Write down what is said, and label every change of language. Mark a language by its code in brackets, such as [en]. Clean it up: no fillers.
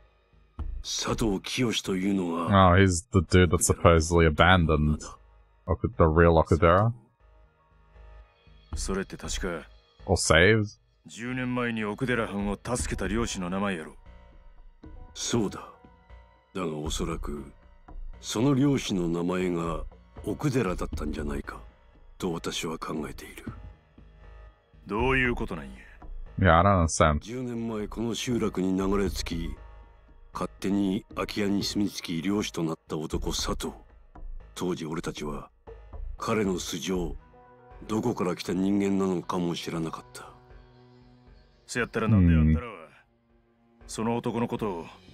[ja] 教えてくれ。奥寺がお前に言った通りだ。奥寺は奥寺ではない。佐藤清というのが。 [en] Oh, he's the dude that supposedly abandoned the real Okudera. [ja] それって確か [en] or saved [ja] 10年前に奥寺藩を助けた漁師の名前やろ。そうだ。だがおそらくその漁師の名前が奥寺だったんじゃないかと私は考えている。どういうことなんや。いや、あらなさん。10年前この集落に流れ着き勝手に空き家に住み着き漁師となった男佐藤。当時俺たちは彼の素性どこから来た人間なのかも知らなかった。せやったらなんでやったらその男のことを